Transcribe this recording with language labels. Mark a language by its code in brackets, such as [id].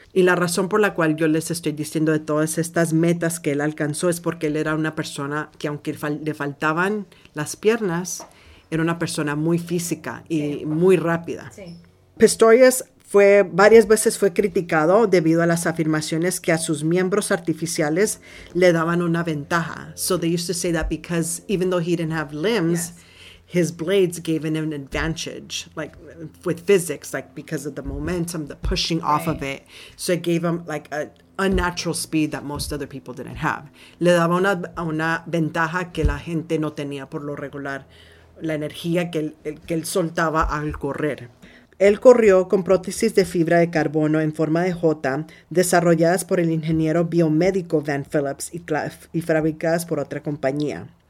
[es] Y la razón por la cual yo les estoy diciendo de todas estas metas que él alcanzó es porque él era una persona que, aunque le faltaban las piernas, era una persona muy física y muy rápida. Sí. Pistorius varias veces fue criticado debido a las afirmaciones que a sus miembros artificiales le daban una ventaja. [en] So they used to say that because even though he didn't have limbs, yes, his blades gave him an advantage, like with physics, like because of the momentum, the pushing off of it. So it gave him like an unnatural speed that most other people didn't have. [es] Le daba una ventaja que la gente no tenía por lo regular, la energía que él soltaba al correr. Él corrió con prótesis de fibra de carbono en forma de J, desarrolladas por el ingeniero biomédico Van Phillips y fabricadas por otra compañía.